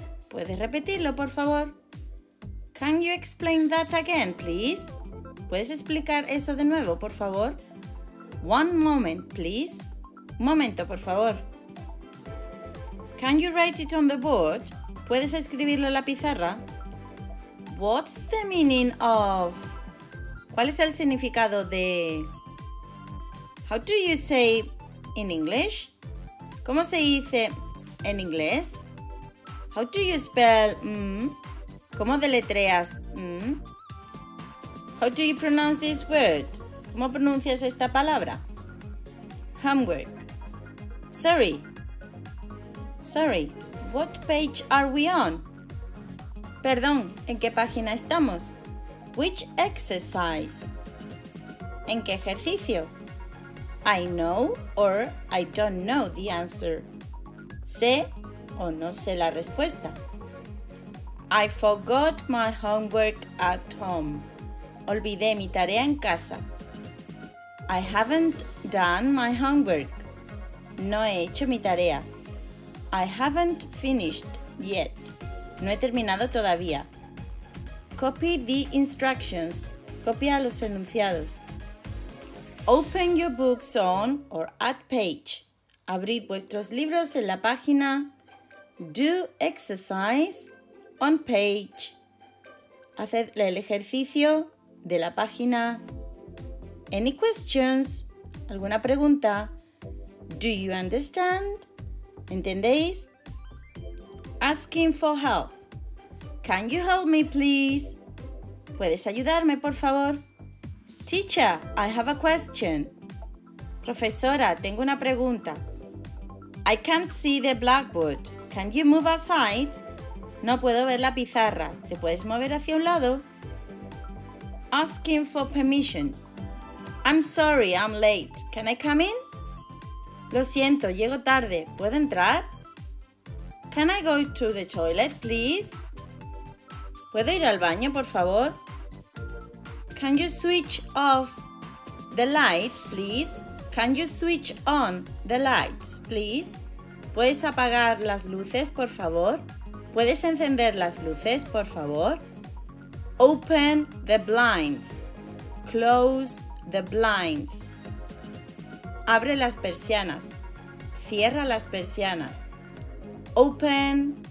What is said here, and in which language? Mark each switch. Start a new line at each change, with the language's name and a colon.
Spanish: ¿Puedes repetirlo, por favor?
English: Can you explain that again, please?
Spanish: ¿Puedes explicar eso de nuevo, por favor? One moment, please. Un momento, por favor.
English: Can you write it on the board?
Spanish: ¿Puedes escribirlo en la pizarra? What's the meaning of... ¿Cuál es el significado de...
English: How do you say in English? ¿Cómo se dice en inglés? How do you spell... ¿Cómo deletreas... How do you pronounce this word?
Spanish: ¿Cómo pronuncias esta palabra?
English: Homework. Sorry. Sorry, what page are we on?
Spanish: Perdón, ¿en qué página estamos? Which exercise? ¿En qué ejercicio?
English: I know or I don't know the answer. Sé o no sé la respuesta. I forgot my homework at home. Olvidé mi tarea en casa. I haven't done my homework.
Spanish: No he hecho mi tarea. I haven't finished yet. No he terminado todavía.
English: Copy the instructions. Copia los enunciados. Open your books on or at page.
Spanish: Abrid vuestros libros en la página. Do exercise on page. Haced el ejercicio de la página.
English: Any questions? ¿Alguna pregunta? Do you understand? ¿Entendéis? Asking for help. Can you help me, please?
Spanish: ¿Puedes ayudarme, por favor?
English: Teacher, I have a question.
Spanish: Profesora, tengo una pregunta.
English: I can't see the blackboard.
Spanish: Can you move aside? No puedo ver la pizarra. ¿Te puedes mover hacia un lado?
English: Asking for permission. I'm sorry, I'm late. Can I come in?
Spanish: Lo siento, llego tarde. ¿Puedo entrar?
English: Can I go to the toilet, please?
Spanish: ¿Puedo ir al baño, por favor?
English: Can you switch off the lights, please? Can you switch on the lights, please?
Spanish: ¿Puedes apagar las luces, por favor? ¿Puedes encender las luces, por favor?
English: Open the blinds. Close the blinds.
Spanish: Abre las persianas. Cierra las persianas. Open